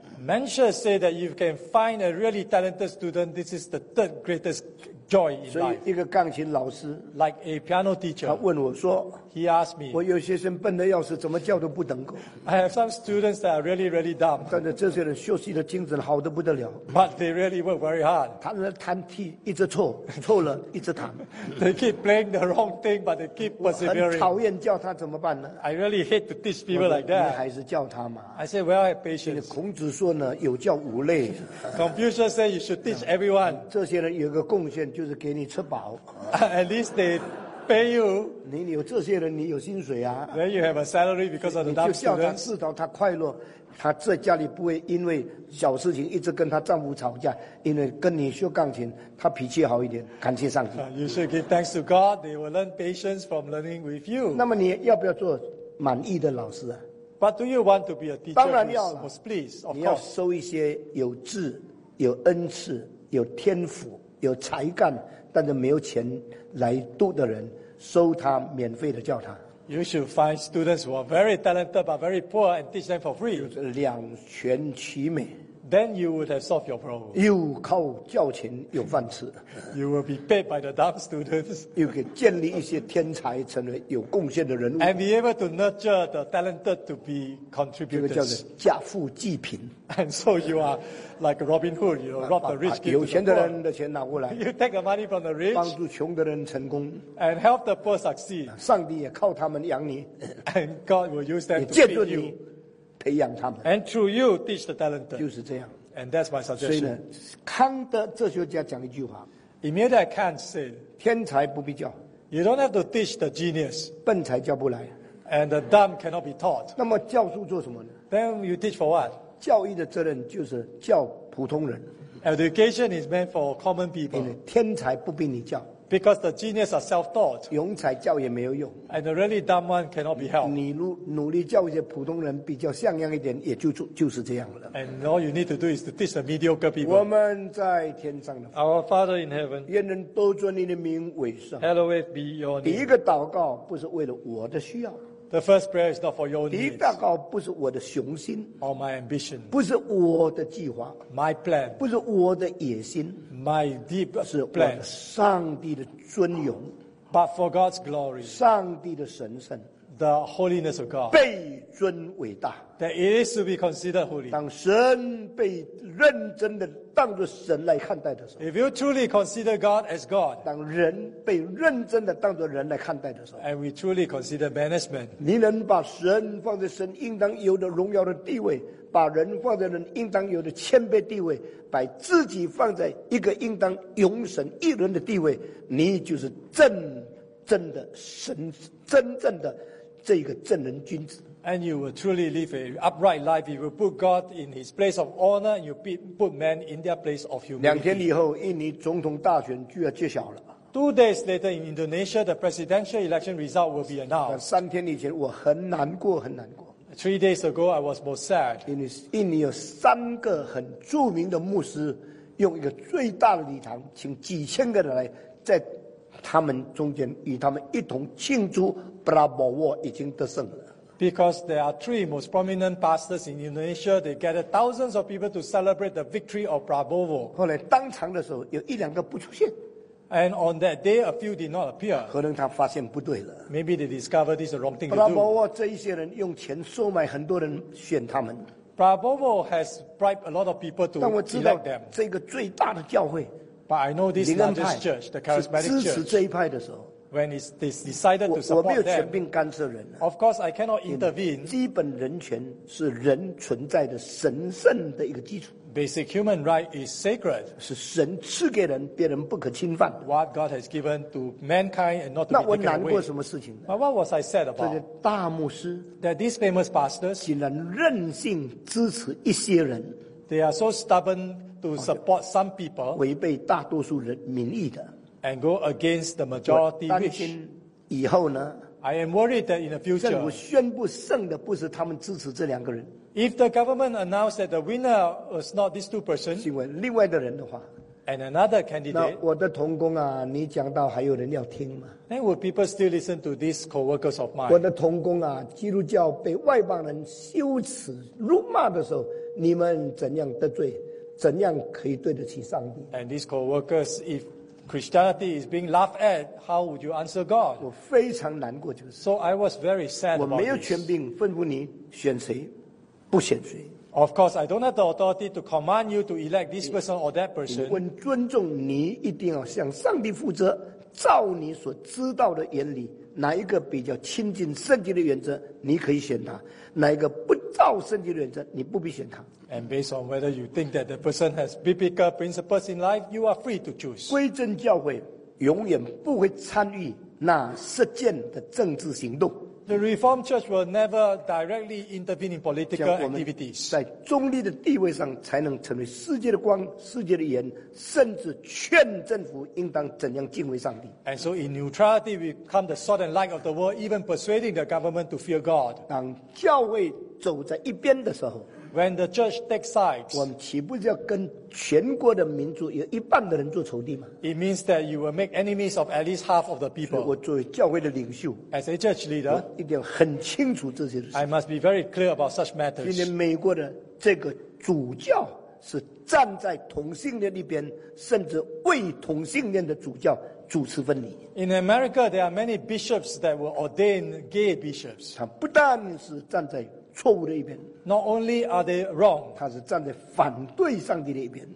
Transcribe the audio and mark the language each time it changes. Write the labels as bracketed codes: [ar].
[en] Mencius say that you can find a really talented student, this is the third greatest joy in life. [zh] 所以一个钢琴老师, [en] like a piano teacher, [zh] 他问我说, [en] he asked me, [zh] 我有些人笨得要死, 怎么叫都不能够, [en] I have some students that are really really dumb, [zh] 但是这些人学习的精神, 好得不得了, [en] but they really work very hard. [zh] 他们弹踢一直错, 错了一直弹, [en] they keep playing the wrong thing, but they keep persevering. [zh] 我很讨厌叫他怎么办呢? [en] I really hate to teach people like that. [zh] 你还是叫他嘛, [en] I say, well, I have patience. [zh] 孔子说呢, 有教无类, [en] Confucius said you should teach everyone. [zh] 这些人有个贡献就是就是给你吃饱。 [en] At least they pay you. [zh] 你有这些人，你有薪水啊。 [en] Then you have a salary because of the doctor. [zh] 你就叫他知道他快乐，他在家里不会因为小事情一直跟他丈夫吵架，因为跟你学钢琴，他脾气好一点，感谢上帝。 [en] You should give thanks to God. They will learn patience from learning with you. [zh] 那么你要不要做满意的老师啊？ [en] But do you want to be a teacher? [zh] 当然要了。 [en] Most please, of course. [zh] 你要收一些有志、有恩赐、有天赋、有才干，但是没有钱来读的人，收他免费的教他。 [en] You should find students who are very talented but very poor and teach them for free. [zh] 两全其美。 [en] Then you would have solved your problem. [zh] 又靠教钱有饭吃。 [en] You will be paid by the dumb students. [zh] 又可以建立一些天才，成为有贡献的人物。 [en] And be able to nurture the talented to be contributors. [zh] 这个叫做家富济贫。 [en] And so you are like Robin Hood, you know, rob the rich, give to the poor. [zh] 有钱的人的钱拿过来。 [en] You take the money from the rich. [zh] 帮助穷的人成功。 [en] And help the poor succeed. [zh] 上帝也靠他们养你。 [en] And God will use them to feed you. [zh] 培养他们 [en] ，and through you teach the talent， [zh] 就是这样 [en] ，and that's my suggestion。 [zh] 所以呢，康德哲学家讲一句话 [en] ，Immediately Kant said， [zh] 天才不必教 [en] ，you don't have to teach the genius， [zh] 笨才教不来 [en] ，and the dumb cannot be taught。 [zh] 那么教书做什么呢 [en] ？Then you teach for what？ [zh] 教育的责任就是教普通人 [en] ，Education is meant for common people。 [zh] 因为天才不必你教。 [en] Because the genius are self-taught. [zh] 庸才教也没有用。 [en] And a really dumb one cannot be helped. [zh] 你努力教一些普通人比较像样一点，也就是这样了。 [en] And all you need to do is to teach the mediocre people. [zh] 我们在天上的。 [en] Our Father in heaven. [zh] 愿人都尊你的名为圣。 [en] Hallowed be your name. [zh] 第一个祷告不是为了我的需要。 [en] The first prayer is not for your needs. [zh] 第一个祷告不是我的雄心。 [en] Or my ambition. [zh] 不是我的计划。 [en] My plan. [zh] 不是我的野心。 [en] My deep plans, [zh] 是我的上帝的尊荣 [en] ，but for God's glory, [zh] 上帝的神圣 [en] ，the holiness of God, [zh] 被尊伟大 [en] ，that it is to be considered holy. [zh] 当神被认真的当作神来看待的时候 [en] ，if you truly consider God as God, [zh] 当人被认真的当作人来看待的时候 [en] ，and we truly consider management, [zh] 你能把神放在神应当有的荣耀的地位。把人放在人应当有的谦卑地位，把自己放在一个应当永神一人的地位，你就是真正的神，真正的这个正人君子。 [en] And you will truly live an upright life. You will put God in His place of honor. You put man in their place of humility. [zh] 两天以后，印尼总统大选就要揭晓了。 [en] Two days later in Indonesia, the presidential election result will be announced. [zh] 三天以前，我很难过，很难过。 [en] Three days ago, I was most sad. [zh] 印尼有三个很著名的牧师，用一个最大的礼堂，请几千个人来，在他们中间与他们一同庆祝 Bravo War 已经得胜了。 [en] Because there are three most prominent pastors in Indonesia, they gathered thousands of people to celebrate the victory of Bravo War. [zh] 后来当场的时候，有一两个不出现。 [en] And on that day, a few did not appear. [zh] 可能他发现不对了。 [en] Maybe they discovered this is the wrong thing to do. [zh] Prabowo 这一些人用钱收买很多人选他们。 [en] Prabowo has bribed a lot of people to elect them. [zh] 但我知道这个最大的教会。 [en] But I know this largest church, the charismatic church. [zh] 支持这一派的时候。 [en] When it's decided to support them. [zh] 我没有权柄干涉人。 [en] Of course, I cannot intervene. [zh] 基本人权是人存在的神圣的一个基础。 [en] Basic human right is sacred. [zh] 是神赐给人，别人不可侵犯。 [en] What God has given to mankind and not to be taken away. [zh] 那我难过什么事情呢 [en] ？But what was I sad about? [zh] 这些大牧师 [en] ，that these famous pastors [zh] 竟然任性支持一些人。 [en] They are so stubborn to support some people. [zh] 违背大多数人民意的。 [en] And go against the majority wish. [zh] 担心以后呢 [en] ？I am worried that in the future. [zh] 政府宣布胜的不是他们支持这两个人。 [en] If the government announced that the winner was not these two persons, [zh] 请问另外的人的话 [en] and another candidate, [zh] 那我的同工啊，你讲到还有人要听吗？ [en] Then would people still listen to these co-workers of mine? [zh] 我的同工啊，基督教被外邦人羞耻辱骂的时候，你们怎样得罪，怎样可以对得起上帝？ [en] And these co-workers, if Christianity is being laughed at, how would you answer God? [zh] 我非常难过，就是。 [en] So I was very sad about this. [zh] 我没有权柄吩咐你选谁。不选谁 [en] ？Of course, I don't have the authority to command you to elect this person or that person. [zh] 我尊重你，一定要向上帝负责，照你所知道的原理，哪一个比较亲近圣经的原则，你可以选他；哪一个不照。照圣经的原则，你不必选他。 [en] And based on whether you think that the person has biblical principles in life, you are free to choose. [zh] 归真教会永远不会参与那实践的政治行动。 [en] The Reformed Church will never directly intervene in political activities. [zh] 在中立的地位上才能成为世界的光、世界的盐，甚至劝政府应当怎样敬畏上帝。 [en] And so in neutrality, we become the salt and light of the world, even persuading the government to fear God. [zh] 当教会走在一边的时候， [en] When the church takes sides, [zh] 我们岂不是要跟全国的民族有一半的人做仇敌吗？ [en] It means that you will make enemies of at least half of the people. [zh] 我作为教会的领袖， [en] As a church leader, [zh] 我一定要很清楚这些事。 [en] I must be very clear about such matters. [zh] 今天美国的这个主教是站在同性恋那边，甚至为同性恋的主教主持婚礼。 [en] In America, there are many bishops that will ordain gay bishops. [zh] 他不但是站在错误的一边， [en] Not only are they wrong, [zh] 他是站在反对上帝的一边，